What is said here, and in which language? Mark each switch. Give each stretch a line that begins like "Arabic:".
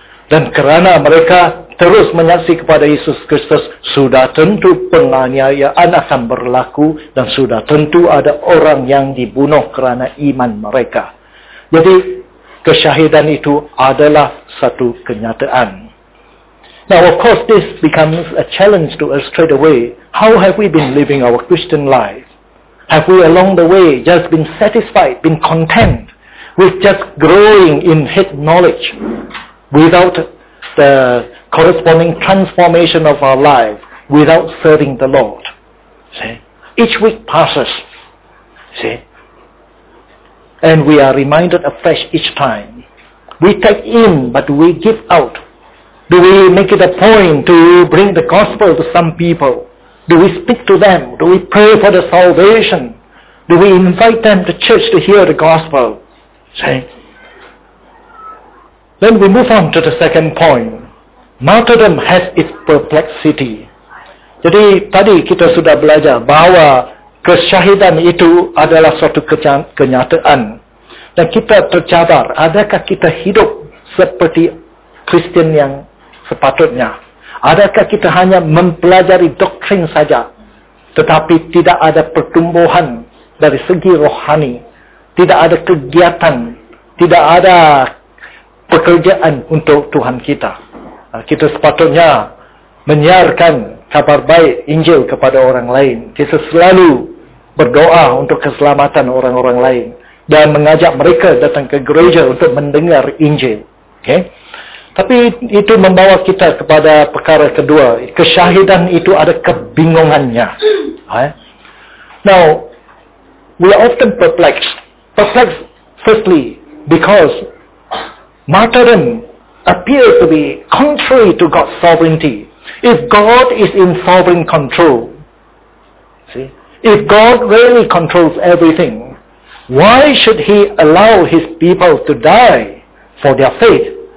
Malay: Dan kerana mereka terus menyaksi kepada Yesus Kristus, sudah tentu penganiayaan akan berlaku dan sudah tentu ada orang yang dibunuh kerana iman mereka. Jadi, kesyahidan itu adalah satu kenyataan.
English: Now, of course, this becomes a challenge to us straight away. How have we been living our Christian life? Have we along the way just been satisfied, been content with just growing in head knowledge without the corresponding transformation of our life, without serving the Lord? See? Each week passes, see? And we are reminded afresh each time. We take in, but we give out. Do we make it a point to bring the gospel to some people? Do we speak to them? Do we pray for the salvation? Do we invite them to church to hear the gospel? See? Then we move on to the second point. Martyrdom has its perplexity.
Malay: Jadi tadi kita sudah belajar bahwa kesyahidan itu adalah suatu kenyataan. Dan kita tercabar, adakah kita hidup seperti Kristen yang sepatutnya? Adakah kita hanya mempelajari doktrin saja, tetapi tidak ada pertumbuhan dari segi rohani, tidak ada kegiatan, tidak ada pekerjaan untuk Tuhan kita? Kita sepatutnya menyiarkan kabar baik Injil kepada orang lain. Kita selalu berdoa untuk keselamatan orang-orang lain dan mengajak mereka datang ke gereja untuk mendengar Injil. Okay? Tapi itu membawa kita kepada perkara kedua. Kesyahidan itu ada kebingungannya.
English: Now, we are often perplexed. Perplexed, firstly, because martyrdom appears to be contrary to God's sovereignty. If God is in sovereign control, see, if God really controls everything, why should He allow His people to die for their faith?